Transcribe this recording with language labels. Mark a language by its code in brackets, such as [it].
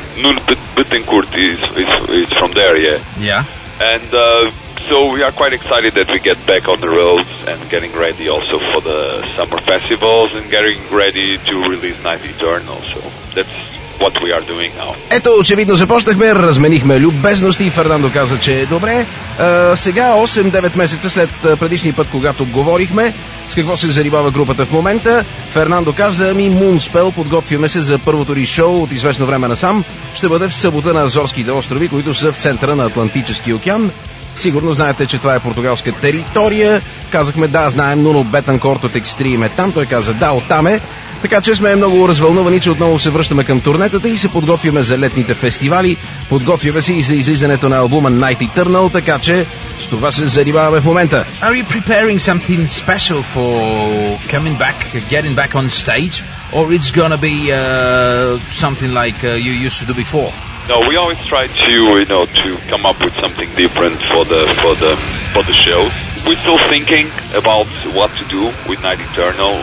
[en] Nuno Betancourt is from there, yeah. Yeah. And so we are quite excited that we get back on the roads and getting ready also for the summer festivals and getting ready to release Night Eternal. So that's what we are doing now. [bg] Ето, очевидно започнахме, разменихме любезности и Фернандо каза, че е добре. Сега, 8-9 месеца след предишния път, когато говорихме, с какво се занимава групата в момента, Фернандо каза, ми Moonspell, подготвяме се за първото ни шоу от известно време насам. Ще бъде в събота на Азорските острови, които са в центъра на Атлантически океан. Сигурно знаете, че това е португалска територия. Казахме, да, знаем, Нуно Бетанкорт от Екстрим е там. Той каза, да, оттам е. Така че сме много развълнувани, че отново се връщаме към турнетата и се подготвяме за летните фестивали. Подготвяме се и за излизането на албума Night Eternal, така че с това се занимаваме в момента. [en] Are you preparing something special for coming back, getting back on stage? Or it's gonna be something like you used to do before? No, we always try to, you know, to come up with something different for the show. We're still thinking about what to do with Night Eternal.